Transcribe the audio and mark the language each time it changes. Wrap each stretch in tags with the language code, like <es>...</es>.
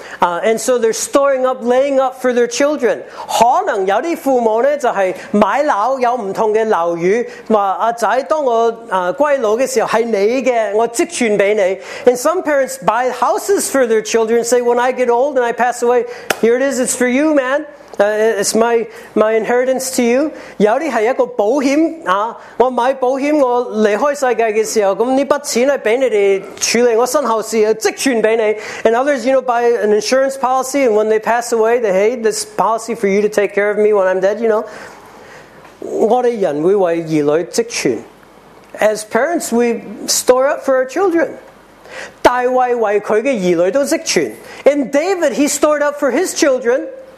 <en>And so they're storing up, laying up for their children.</en> <zh>可能有些父母就是买楼有不同的楼宇, 说儿子当我归老的时候是你的,我积存给你.</zh> <en>And some parents buy houses for their children, say, when I get old and I pass away, here it is, it's for you, man. It's my inheritance to you.</en> <zh>有些是一个保险, 我买保险, 我离开世界的时候, 这笔钱是给你们处理我身后事, 积存给你。</zh> <en>And others, you know, buy an insurance policy, and when they pass away, they, hey, this policy for you to take care of me when I'm dead, you know.</en> <zh>我们人会为儿女积存。</zh> <en>As parents, we store up for our children.</en> <zh>大卫为他的儿女都积存。</zh> <en>And David, he stored up for his children.</en>